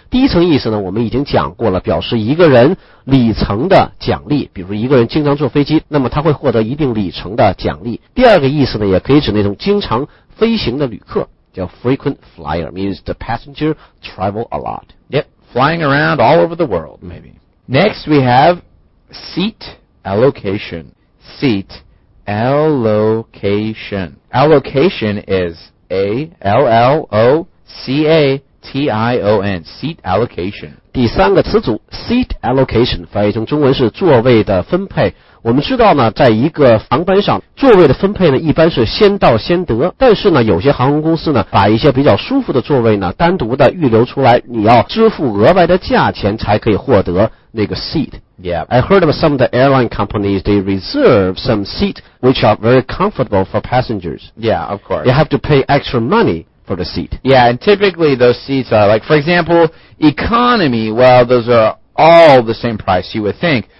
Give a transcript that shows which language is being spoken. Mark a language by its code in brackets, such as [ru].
[zh] 第一层意思呢，我们已经讲过了，表示一个人里程的奖励。比如一个人经常坐飞机，那么他会获得一定里程的奖励。第二个意思呢，也可以指那种经常飞行的旅客。 [en] 叫 frequent flyer, means the passenger travel a lot. Yep, flying around all over the world, maybe. Next, we have seat allocation. Seat allocation. Allocation is A-L-L-O-C-A-T-I-O-N, seat allocation. [zh] 第三个词组 seat allocation, 翻译成中文是座位的分配。我们知道呢，在一个航班上座位的分配呢，一般是先到先得。但是呢，有些航空公司呢，把一些比较舒服的座位呢，单独的预留出来，你要支付额外的价钱才可以获得那个 seat. [en] Yeah, I heard of some of the airline companies, they reserve some seat which are very comfortable for passengers. Yeah, of course. You have to pay extra money for the seat. Yeah, and typically those seats are like, for example, economy, well, those are all the same price, you would think.